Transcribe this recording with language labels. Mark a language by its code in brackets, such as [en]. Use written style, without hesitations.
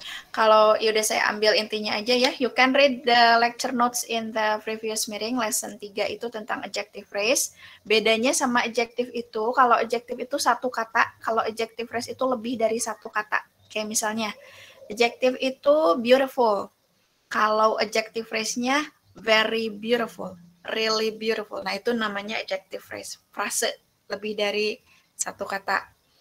[id] Kalau yaudah saya ambil intinya aja ya. [en] You can read the lecture notes in the previous meeting, lesson 3 [id] itu tentang [en] adjective phrase. [id] Bedanya sama adjective itu, kalau adjective itu satu kata, kalau adjective phrase itu lebih dari satu kata. Kayak misalnya, adjective itu beautiful. Kalau adjective phrase-nya very beautiful, really beautiful. Nah, itu namanya adjective phrase. Frase lebih dari satu kata.